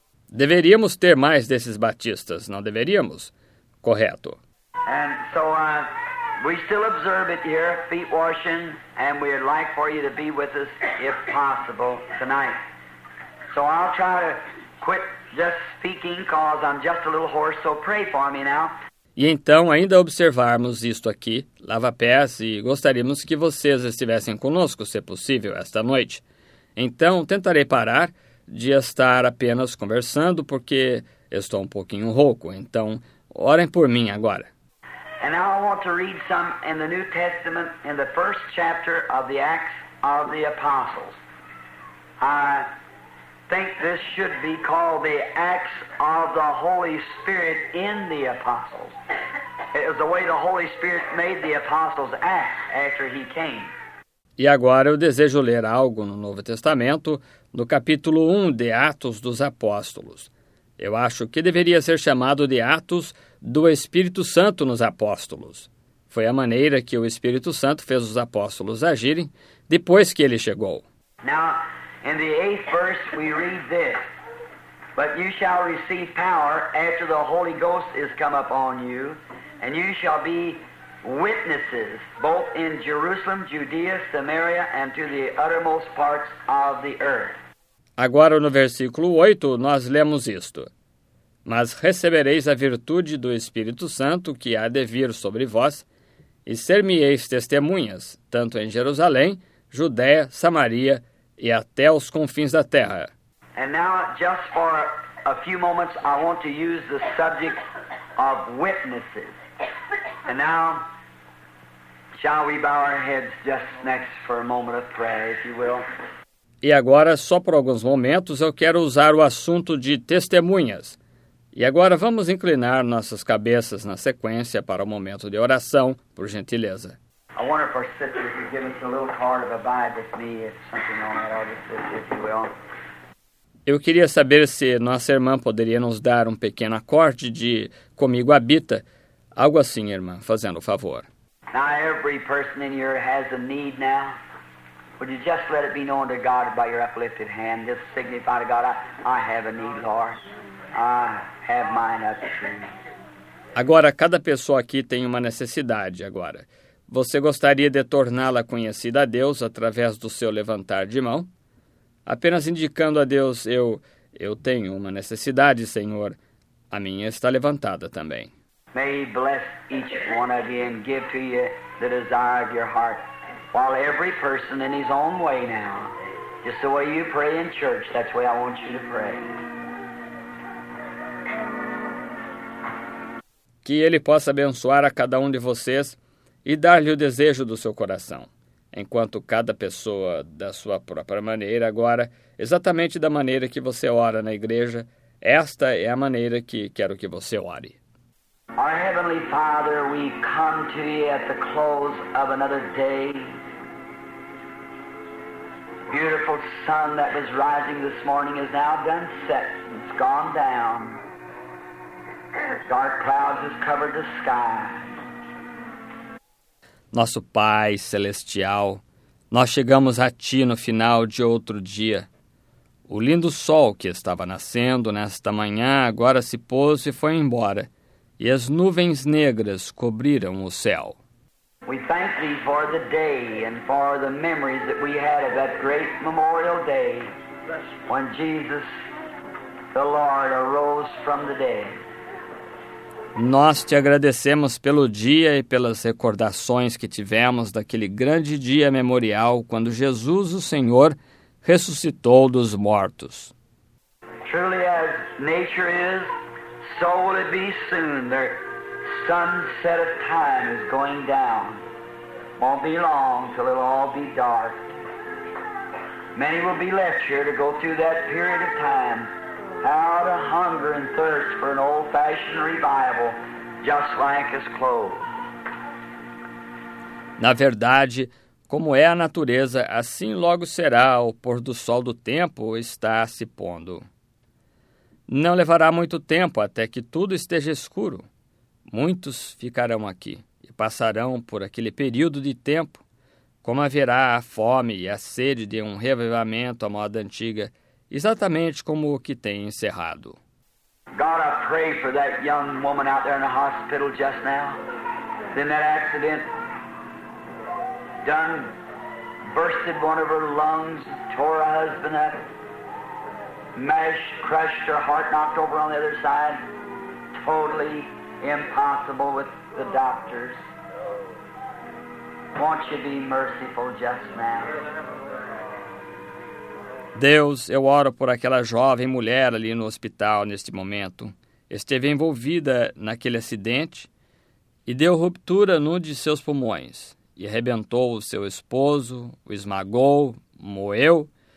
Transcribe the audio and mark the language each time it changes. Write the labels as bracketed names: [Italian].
[Portuguese] Deveríamos ter mais desses batistas, não deveríamos? Correto. [English] And so we still observe it here, feet washing, and we'd like for you to be with us if possible tonight. So I'll try to quit just speaking because I'm just a little hoarse, so pray for me now. [Portuguese] E então, ainda observarmos isto aqui, lava-pés, e gostaríamos que vocês estivessem conosco, se possível, esta noite. Então, tentarei parar de estar apenas conversando, porque estou um pouquinho rouco. Então, orem por mim agora. E agora eu quero ler [English] some in the New Testament, in the first chapter of the Acts of the Apostles. Think this should be called the Acts of the Holy Spirit in the Apostles. It was the way the Holy Spirit made the Apostles act after he came. [Portuguese] E agora eu desejo ler algo no Novo Testamento, no capítulo 1 de Atos dos Apóstolos. Eu acho que deveria ser chamado de Atos do Espírito Santo nos Apóstolos. Foi a maneira que o Espírito Santo fez os apóstolos agirem depois que ele chegou. [English] Now, in the 8th verse, we read this. But you shall receive power after the Holy Ghost is come upon you, and you shall be witnesses both in Jerusalem, Judea, Samaria, and to the uttermost parts of the earth. [Portuguese] Agora, no versículo 8, nós lemos isto. Mas recebereis a virtude do Espírito Santo que há de vir sobre vós, e ser-me-eis testemunhas, tanto em Jerusalém, Judéia, Samaria, e até os confins da terra. [English] And now, just for a few moments, I want to use the subject of witnesses. And now, shall we bow our heads just next for a moment of prayer, if you will? [Portuguese] E agora, só por alguns momentos, eu quero usar o assunto de testemunhas. E agora, vamos inclinar nossas cabeças na sequência para o momento de oração, por gentileza. [English] I wonder if our sister could give us a little card of abide with me, if something on that, if you will. [Portuguese] Eu queria saber se nossa irmã poderia nos dar um pequeno acorde de Comigo Habita. Algo assim, irmã, fazendo o favor. [English] Now every person in here has a need now. Would you just let it be known to God by your uplifted hand? Just signify to God, I have a need, Lord. I have mine up to you. [Portuguese] Agora, cada pessoa aqui tem uma necessidade agora. Você gostaria de torná-la conhecida a Deus através do seu levantar de mão? Apenas indicando a Deus, eu tenho uma necessidade, Senhor. A minha está levantada também. [English] May he bless each one of you and give to you the desire of your heart. While every person in his own way now, just the way you pray in church, that's the way I want you to pray. [Portuguese] Que ele possa abençoar a cada um de vocês e dar-lhe o desejo do seu coração. enquanto cada pessoa da sua própria maneira, agora, exatamente da maneira que você ora na igreja, esta é a maneira que quero que você ore. [English] Our Heavenly Father, we come to thee at the close of another day. Beautiful sun that was rising this morning is now done set. It's gone down. Dark clouds have covered the sky. [Portuguese] Nosso Pai Celestial, nós chegamos a Ti no final de outro dia. O lindo sol que estava nascendo nesta manhã agora se pôs e foi embora, e as nuvens negras cobriram o céu. [English] We thank Thee for the day and for the memories that we had of that great memorial day when Jesus the Lord arose from the dead. [Portuguese] Nós te agradecemos pelo dia e pelas recordações que tivemos daquele grande dia memorial quando Jesus, o Senhor, ressuscitou dos mortos. [English] Truly as nature is, so will it be soon. The sunset of time is going down. Won't be long till it'll all be dark. Many will be left here to go through that period of time. Out of hunger and thirst for an old-fashioned revival, just like his clothes. [Portuguese] Na verdade, como é a natureza, assim logo será o pôr do sol do tempo está se pondo. Não levará muito tempo até que tudo esteja escuro. Muitos ficarão aqui e passarão por aquele período de tempo, como haverá a fome e a sede de um reavivamento à moda antiga, exatamente como o que tem encerrado. [English] God, I pray for that young woman out there in the hospital just now. In that accident, done bursted one of her lungs, tore her husband up, mashed, crushed her heart, knocked over on the other side. Totally impossible with the doctors. Won't you be merciful just now? [Portuguese] Deus, eu oro por aquela jovem mulher ali no hospital neste momento. Esteve envolvida naquele acidente e deu ruptura num de seus pulmões e arrebentou o seu esposo, o esmagou, moeu.